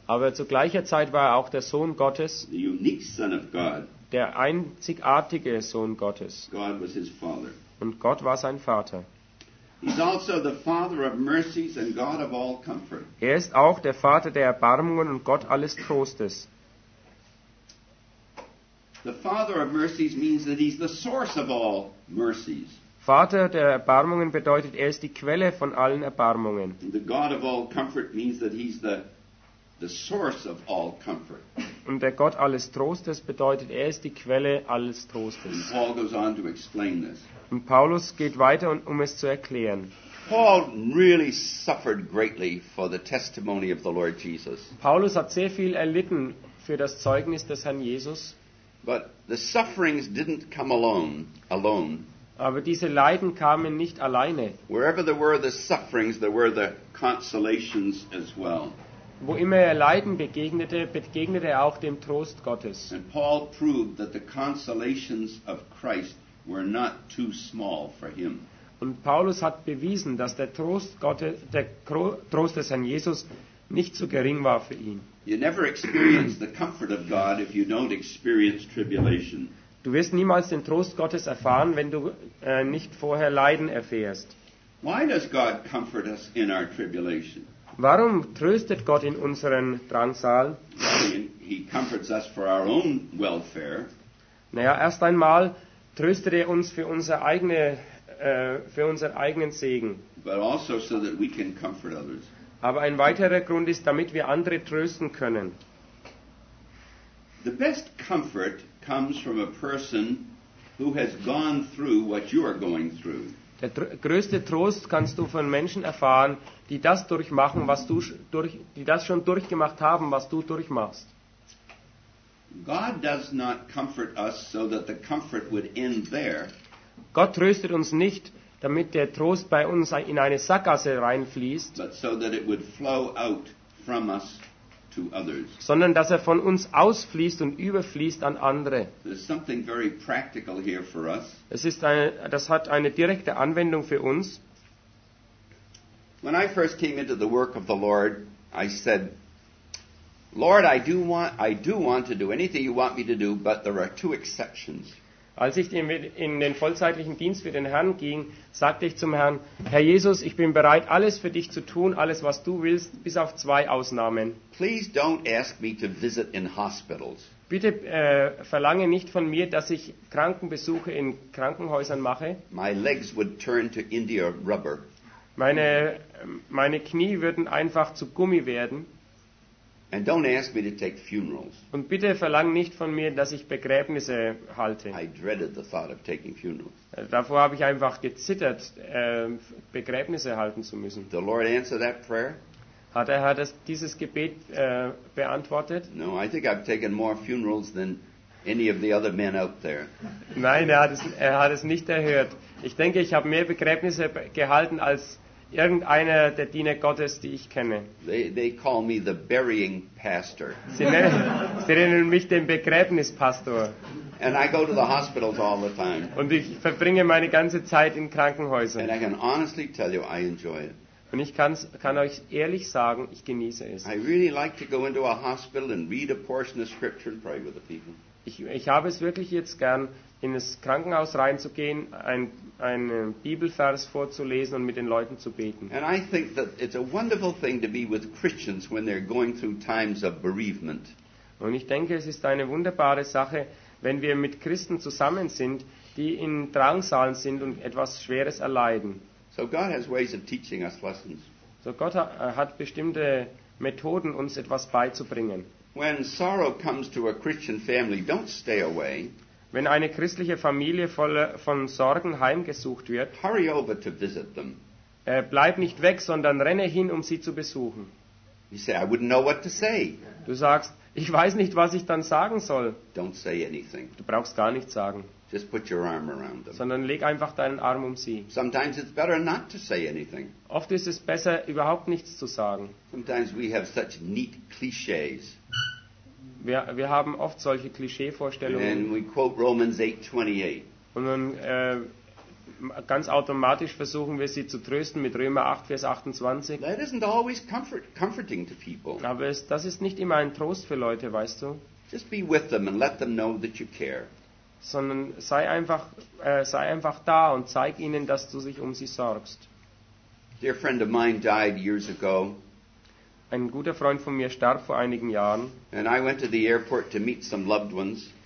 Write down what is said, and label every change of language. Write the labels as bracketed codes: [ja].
[de] Aber zu gleicher Zeit war auch der Sohn Gottes. [en] The unique Son of God. [de] Der einzigartige Sohn Gottes. [en] God was his Father. [de] Und Gott war sein Vater. [en] He's also the Father of mercies and God of all comfort. [de] Er ist auch der Vater der Erbarmungen und Gott alles Trostes. [en] The Father of mercies means that he's the source of all mercies. [de] Vater der Erbarmungen bedeutet, er ist die Quelle von allen Erbarmungen. [en] The God of all comfort means that he's the source of all comfort. [de] Und der Gott alles Trostes bedeutet, er ist die Quelle alles Trostes. [en] And Paul goes on to explain this. [de] Und Paulus geht weiter, um es zu erklären. [en] Paul really suffered greatly for the testimony of the Lord Jesus. [de] Paulus hat sehr viel erlitten für das Zeugnis des Herrn Jesus. [en] But the sufferings didn't come alone. [de] Aber diese Leiden kamen nicht alleine. [en] Wherever there were the sufferings, there were the consolations as well. [de] Wo immer er Leiden begegnete, begegnete auch dem Trost Gottes. [en] And Paul proved that the consolations of Christ were not too small for him. [de] Und Paulus hat bewiesen, dass der Trost des Herrn Jesus nicht zu gering war für ihn. [en] You never experience the comfort of God if you don't experience tribulation. [de] Du wirst niemals den Trost Gottes erfahren, wenn du nicht vorher Leiden erfährst. [en] Why does God comfort us in our tribulation? [de] Warum tröstet Gott in unseren Drangsal? [en] He comforts us for our own welfare. [de] Naja, erst einmal tröstet uns für unseren eigenen Segen. [en] But also so that we can comfort others. [de] Aber ein weiterer Grund ist, damit wir andere trösten können. [en] The best comfort comes from a person who has gone through what you are going through. [de] Der größte Trost kannst du von Menschen erfahren, die das durchmachen, was du durch, die das schon durchgemacht haben, was du durchmachst. [en] God does not comfort us so that the comfort would end there. [de] Gott tröstet uns nicht, damit der Trost bei uns in eine Sackgasse reinfließt, [en] but so that it would flow out from us to others. [de] Sondern dass er von uns ausfließt und überfließt an andere. [en] There's something very practical here for us. [de] Es ist eine, das hat eine direkte Anwendung für uns. [en] When I first came into the work of the Lord, I said, Lord, I do want to do anything you want me to do, but there are two exceptions. [de] Als ich in den vollzeitlichen Dienst für den Herrn ging, sagte ich zum Herrn, Herr Jesus, ich bin bereit, alles für dich zu tun, alles, was du willst, bis auf zwei Ausnahmen. [en] Please don't ask me to visit in hospitals. [de] Bitte verlange nicht von mir, dass ich Krankenbesuche in Krankenhäusern mache. [en] My legs would turn to India rubber. [de] Meine Knie würden einfach zu Gummi werden. [en] And don't ask me to take funerals. [de] Und bitte verlang nicht von mir, dass ich Begräbnisse halte. [en] I dreaded the thought of taking funerals. [de] Davor habe ich einfach gezittert, Begräbnisse halten zu müssen. [en] The Lord answered that prayer? [de] Hat er dieses Gebet beantwortet? [en] No, I think I've taken more funerals than any of the other men out there. [de] Nein, er hat es nicht erhört. Ich denke, ich habe mehr Begräbnisse gehalten als irgendeiner der Diener Gottes, die ich kenne. [en] They call me the burying pastor. [de] Sie nennen mich den Begräbnispastor. [en] And I go to the hospitals all the time. [de] Und ich verbringe meine ganze Zeit in Krankenhäusern. [en] And I can honestly tell you, I enjoy it. [de] Und ich kann euch ehrlich sagen, ich genieße es. [en] I really like to go into a hospital and read a portion of scripture and pray with the people. [de] Ich habe es wirklich jetzt gern, in das Krankenhaus reinzugehen, einen Bibelvers vorzulesen und mit den Leuten zu beten. [en] And I think that it's a wonderful thing to be with Christians when they're going through times of bereavement. [de] Und ich denke, es ist eine wunderbare Sache, wenn wir mit Christen zusammen sind, die in Drangsalen sind und etwas Schweres erleiden. [en] So God has ways of teaching us lessons. [de] So Gott hat bestimmte Methoden, uns etwas beizubringen. [en] When sorrow comes to a Christian family, don't stay away. [de] Wenn eine christliche Familie voller von Sorgen heimgesucht wird, [en] hurry over to visit them. [de] Bleib nicht weg, sondern renne hin, um sie zu besuchen. [en] You say, I wouldn't know what to say. [de] Du sagst, ich weiß nicht, was ich dann sagen soll. [en] Don't say anything. [de] Du brauchst gar nichts sagen. [en] Just put your arm around them. [de] Sondern leg einfach deinen Arm um sie. [en] Sometimes it's better not to say anything. [de] Oft ist es besser, überhaupt nichts zu sagen. [en] Sometimes we have such neat clichés. [de] Wir haben oft solche Klischeevorstellungen. [en] And we quote Romans 8:28. [de] Und dann ganz automatisch versuchen wir sie zu trösten mit Römer 8, Vers 28. [en] That isn't always comforting to people. [de] Aber das ist nicht immer ein Trost für Leute, weißt du? [en] Just be with them and let them know that you care. [de] Sondern sei einfach da und zeig ihnen, dass du dich um sie sorgst. [en] A dear friend of mine died years ago. [de] Ein guter Freund von mir starb vor einigen Jahren. [en] And I went to the airport to meet some loved ones.